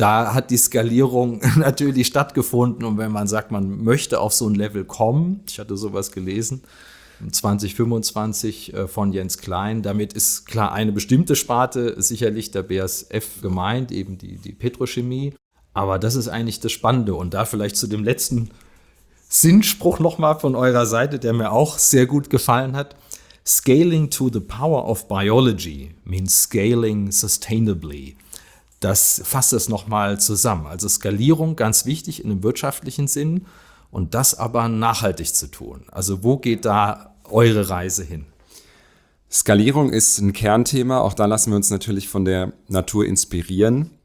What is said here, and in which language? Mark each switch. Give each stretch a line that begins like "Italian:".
German: Da hat die Skalierung natürlich stattgefunden. Und wenn man sagt, man möchte auf so ein Level kommen, ich hatte sowas gelesen, 2025 von Jens Klein. Damit ist klar eine bestimmte Sparte sicherlich der BASF gemeint, eben die Petrochemie. Aber das ist eigentlich das Spannende. Und da vielleicht zu dem letzten Sinnspruch nochmal von eurer Seite, der mir auch sehr gut gefallen hat.
English: Scaling to the power of biology means scaling sustainably.
German: Das fasst es nochmal zusammen. Also Skalierung ganz wichtig in einem wirtschaftlichen Sinn. Und das aber nachhaltig zu tun. Also wo geht da eure Reise hin? Skalierung ist ein Kernthema. Auch da lassen wir uns natürlich von der Natur inspirieren.